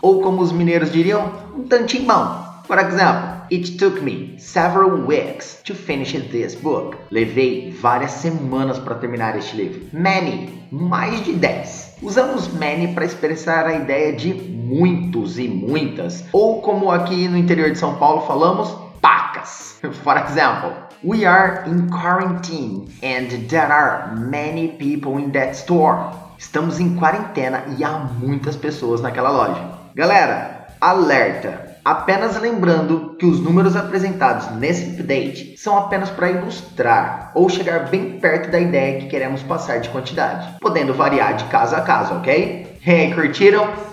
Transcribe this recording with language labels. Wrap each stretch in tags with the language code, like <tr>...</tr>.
<pt>Ou como os mineiros diriam, um tantim bom.</pt> <en>For example, it took me several weeks to finish this book.</en> <pt>Levei várias semanas para terminar este livro. Many, mais de 10. Usamos many para expressar a ideia de muitos e muitas. Ou como aqui no interior de São Paulo falamos, pacas.</pt> <en>For example, we are in quarantine and there are many people in that store.</en> <pt>Estamos em quarentena e há muitas pessoas naquela loja. Galera, alerta! Apenas lembrando que os números apresentados nesse update são apenas para ilustrar ou chegar bem perto da ideia que queremos passar de quantidade, podendo variar de caso a caso, ok? Hey, curtiram?</pt>